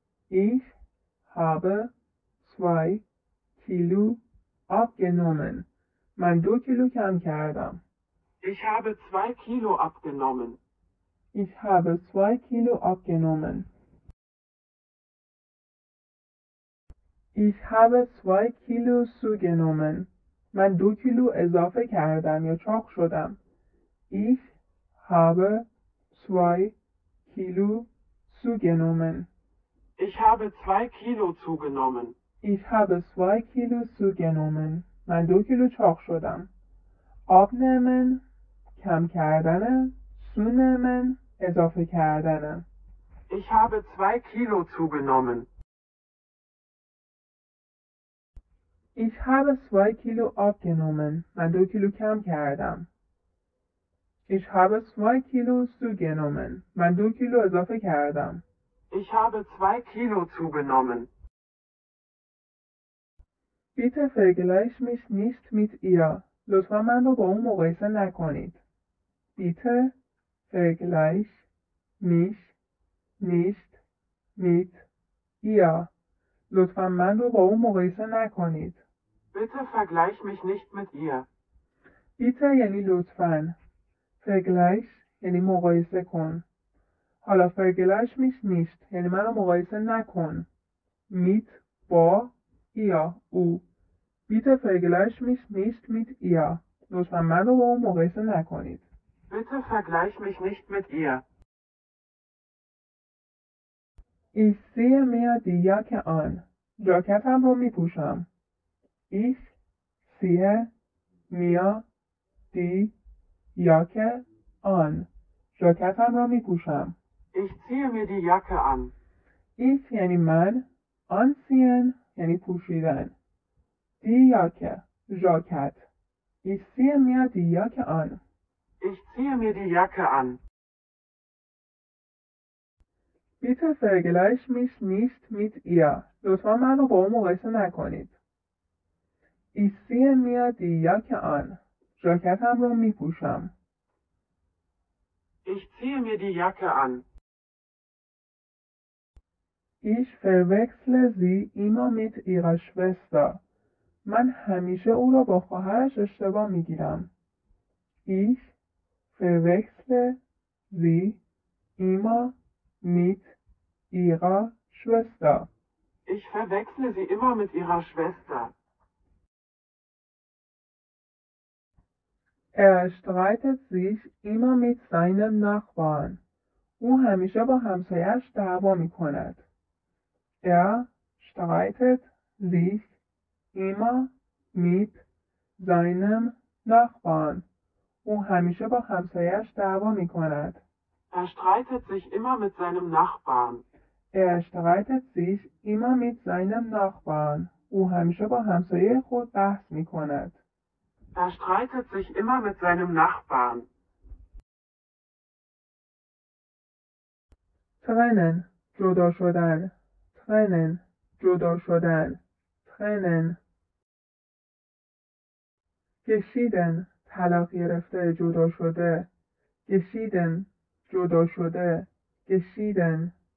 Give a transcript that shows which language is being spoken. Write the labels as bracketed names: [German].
[German] Ich habe 2 Kilo abgenommen. [Persian] من 2 کیلو کم کردم. [German] Ich habe 2 Kilo abgenommen. Ich habe 2 Kilo abgenommen. Ich habe 2 Kilo zugenommen. [Persian] من 2 کیلو اضافه کردم یا چاق شدم. [German] Ich habe 2 Kilo zugenommen. Ich habe 2 Kilo zugenommen. Ich habe 2 Kilo zugenommen. [Persian] من 2 کیلو چاق شدم. [German] Abnehmen [Persian] کم کردن، [German] zunehmen [Persian] اضافه کردن. [German] Ich habe 2 Kilo zugenommen. Ich habe 2 Kilo abgenommen. [Persian] من 2 کیلو کم کردم. [German] Ich habe 2 Kilo zugenommen. [Persian] من 2 کیلو اضافه کردم. [German] Ich habe 2 Kilo zugenommen. Bitte vergleich mich nicht mit ihr. [Persian] لطفا من رو با اون مقایسه نکنید. [German] Bitte vergleich mich nicht mit ihr. [Persian] لطفا من رو با اون مقایسه نکنید. [German] Bitte vergleich mich nicht mit ihr. Bitte [Persian] یعنی لطفاً. [German] Vergleich [Persian] یعنی مقایسه کن. حالا [German] vergleich mich nicht [Persian] یعنی منو مقایسه نکن. [German] Mit [Persian] با [German] ihr [Persian] او. [German] Bitte vergleich mich nicht mit ihr. [Persian] لطفاً منو با اون مقایسه نکنید. [German] Bitte vergleich mich nicht mit ihr. Ich sehe mir die Jacke an. [Persian] جاکتم رو میپوشم. [German] Ich ziehe mir die Jacke an. [Persian] جاکتم را می پوشم. [German] Ich ziehe mir die Jacke an. Ich [Persian] یعنی من. [German] Anziehen [Persian] یعنی پوشیدن. [German] Die Jacke. [Persian] جاکت. [German] Ich ziehe mir die Jacke an. Ich ziehe mir die Jacke an. Bitte vergleich mich nicht mit ihr. [Persian] لطفا من رو با اون مقایسه نکنید. [German] Ich ziehe mir die Jacke an. [Persian] جاکتم رو می پوشم. [German] Ich ziehe mir die Jacke an. Ich verwechsle sie immer mit ihrer Schwester. [Persian] من همیشه او رو با خواهرش اشتباه می گیرم. [German] Ich verwechsle sie immer mit ihrer Schwester. Ich verwechsle sie immer mit ihrer Schwester. Er streitet sich immer mit seinem Nachbarn. [Persian] او همیشه با همسایه‌اش دعوا می‌کند. [German] Er streitet sich immer mit seinem Nachbarn. [Persian] او همیشه با همسایه‌اش دعوا می‌کند. [German] Er streitet sich immer mit seinem Nachbarn. Er streitet sich immer mit seinem Nachbarn. [Persian] او همیشه با همسایه خود بحث می‌کند. [German] Er streitet sich immer mit seinem Nachbarn. Trennen, [Persian] جدا شدن. Trennen, جدا شدن. [German] Trennen. Geschieden, [Persian] طلاق گرفته, جدا شده. [German] Geschieden, [Persian] جدا شده. [German] Geschieden.